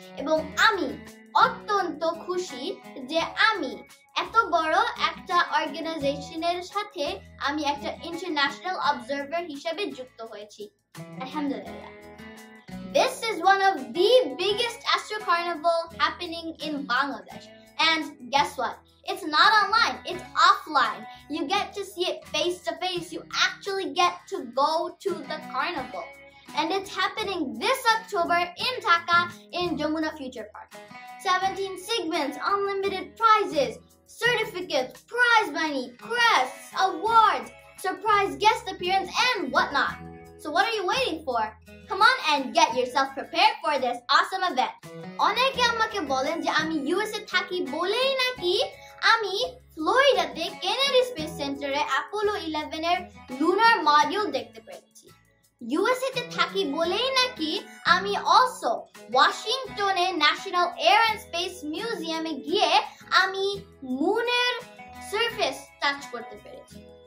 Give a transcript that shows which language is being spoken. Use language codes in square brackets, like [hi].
[bn] এবং আমি অত্যন্ত খুশি যে আমি এত বড় একটা অর্গানাইজেশনের সাথে আমি একটা ইন্টারন্যাশনাল অবজারভার হিসেবে যুক্ত হয়েছি আলহামদুলিল্লাহ [en] This is one of the biggest astro carnival happening in Bangladesh. And guess what? It's not online, it's offline. You get to see it face to face. You actually get to go to the carnival. And it's happening this October in Dhaka in Jamuna Future Park. 17 segments, unlimited prizes, certificates, prize money, crests, awards, surprise guest appearance, and whatnot. So what are you waiting for? Come on and get yourself prepared for this awesome event. [bn] অনেকে আমাকে বলেন যে আমি USA থাকি বলেই নাকি আমি ফ্লোরিডাতে Kennedy space সেন্টারে অ্যাপোলো 11 এর লুনার মডিউল দেখতে পেয়েছি ইউএসএ তে থাকি বলেই নাকি আমি অলসো ওয়াশিংটনে ন্যাশনাল এয়ার অ্যান্ড স্পেস মিউজিয়ামে গিয়ে আমি মুনের সারফেস টাচ করতে পেরেছি